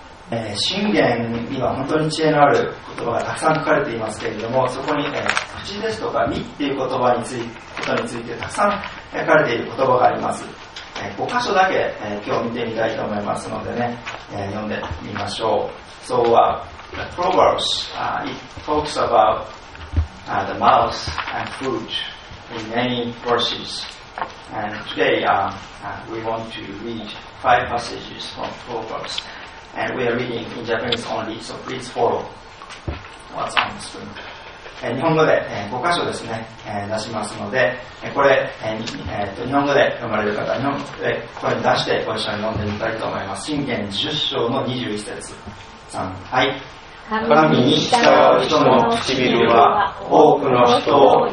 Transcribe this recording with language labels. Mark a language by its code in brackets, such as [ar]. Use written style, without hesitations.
[ja] 箴言には本当に知恵のある言葉がたくさん書かれていますけれども、そこに口ですとか身っていう言葉についことについてたくさん書かれている言葉があります。 5箇所だけ、今日見てみたいと思いますのでね、読んでみましょう。 [en] So Proverbs it talks about the mouth and food in many verses, and today we want to read 5 passages from Proverbs, and we are reading in Japanese only, so please follow what's on the screen. [ja] 日本語で5箇所ですね、出しますので、これ、日本語で読まれる方、日本語で声に出してご一緒に読んでみたいと思います。箴言10章の21節。3、はい。神に従う人の唇は多くの人を養う。